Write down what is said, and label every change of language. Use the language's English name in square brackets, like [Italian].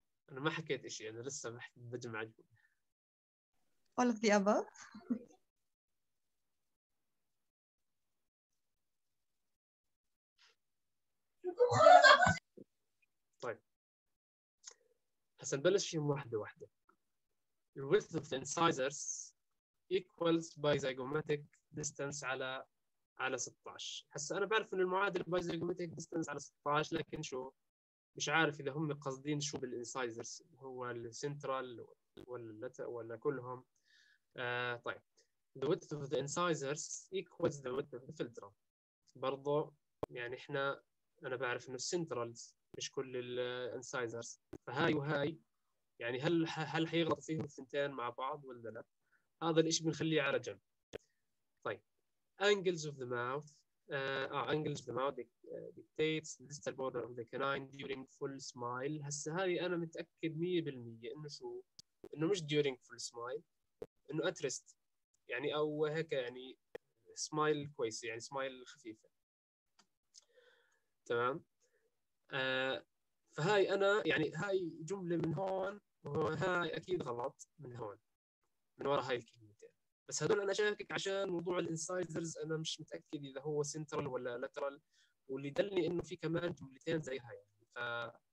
[Arabic] أنا ما حكيت إشي، أنا لسه ما حكيت بجمع [English] all of the above. [Arabic] طيب حسن بلش فيهم واحدة واحدة. [English] The width of the incisors equals bizygomatic distance [Arabic] على 16. حسن أنا بعرف أن المعادلة bizygomatic distance على 16، لكن شو مش عارف إذا هم قصدين شو بالإنسايزرز، هو السنترال ولا كلهم. [English] طيب the width of the incisors equals the width of the filter. [Arabic] برضو يعني إحنا أنا بعرف إنه السنترالز مش كل الإنسايزرز، فهاي وهاي يعني هل حيغلط فيهم الثنتين مع بعض ولا لا؟ هذا الإشي بنخليه على جنب. [English] Angles of the mouth angles of the mouth dictates the distal border of the canine during full smile. [Arabic] هسا هاي انا متاكد 100% انه شو انه مش [English] during full smile، [Arabic] انه [English] at rest [Arabic] يعني او هيك يعني smile كويس يعني smile خفيفه تمام. فهاي انا يعني هاي جمله من هون وهاي اكيد غلط من هون من ورا هاي الكلمه، بس هذول انا شاكك عشان موضوع الانسايزرز انا مش متاكد اذا هو سنترال ولا لاترال، واللي دلني انه في كمان جملتين زي هاي يعني.